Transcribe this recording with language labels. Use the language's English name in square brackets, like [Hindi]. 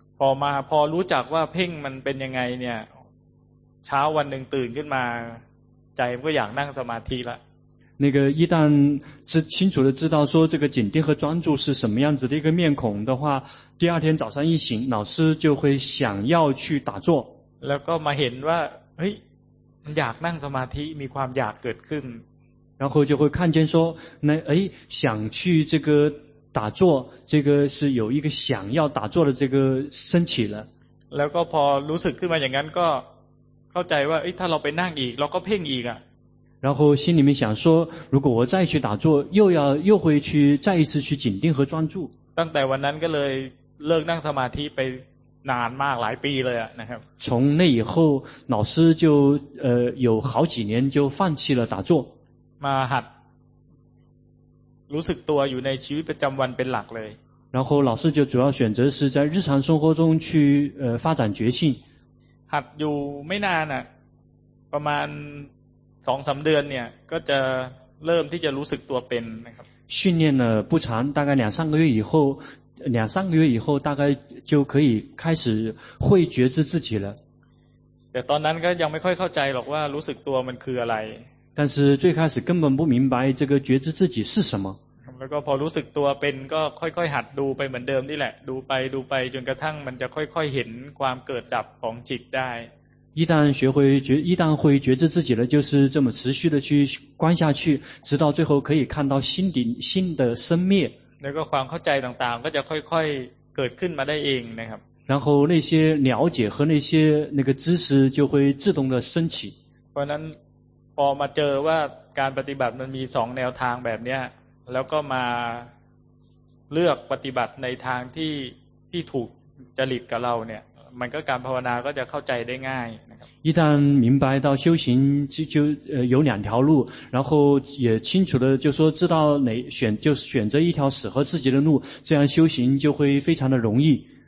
[Thai] พอมาพอรู้จักว่าเพ่งมันเป็นยังไงเนี่ยเช้าวันหนึ่งตื่นขึ้นมาใจก็อยากนั่งสมาธิละ [Chinese] 那个一旦是清楚的知道说这个紧盯和专注是什么样子的一个面孔的话，第二天早上一醒，老师就会想要去打坐。 [Thai] แล้วก็มาเห็นว่าเฮ้ยอยากนั่งสมาธิมีความอยากเกิดขึ้น [Chinese] 然后就会看见说那诶想去这个打坐这个是有一个想要打坐的这个升起了 [Thai] แล้วก็พอรู้สึกขึ้นมาอย่างนั้นก็เข้าใจว่าเอ้ยถ้าเราไปนั่งอีกเราก็เพ่งอีกอ่ะ [Chinese] 然后心里面想说如果我再去打坐又会去再一次去紧盯和专注 [Thai] ตั้งแต่วันนั้นก็เลยเลิกนั่งสมาธิไปนานมากหลายปีเลยนะครับ [Chinese] 从那以后老师就有好几年就放弃了打坐 [Thai] มาหัดรู้สึกตัวอยู่ในชีวิตประจำวันเป็นหลักเลย [Chinese] 然后老师就主要选择是在日常生活中去发展觉性 [Thai] หัดอยู่ไม่นานอ่ะประมาณ 2-3 เดือนเนี่ยก็จะเริ่มที่จะรู้สึกตัวเป็นนะครับ [Chinese] 训练了不长大概两三个月以后两三个月以后大概就可以开始会觉知自己了 [Thai] แต่ตอนนั้นก็ยังไม่ค่อยเข้าใจหรอกว่ารู้สึกตัวมันคืออะไร แต่ [Chinese] 是最开始根本不明白这个觉知自己是什么 [Thai] แล้วก็พอรู้สึกตัวเป็นก็ค่อยๆหัดดูไปเหมือนเดิมนี่แหละดูไปจนกระทั่งมันจะค่อยๆเห็นความเกิดดับของจิตได้ [Chinese] 一旦会觉知自己了就是这么持续的去观下去直到最后可以看到心的生灭 [Thai] แล้วก็ความเข้าใจต่างๆก็จะค่อยๆเกิดขึ้นมาได้เองนะครับ [Chinese] 然后那些了解和那些那个知识就会自动的升起 [Thai] เพราะนั้นพอมาเจอว่าการปฏิบัติมันมีสองแนวทางแบบนี้แล้วก็มาเลือกปฏิบัติในทางที่ถูกจริตกับเราเนี่ยมันก็การภาวนาก็จะเข้าใจได้ง่ายนะครับ [Chinese] 一旦明白到修行就有两条路然后也清楚的就说知道哪选就选择一条适合自己的路这样修行就会非常的容易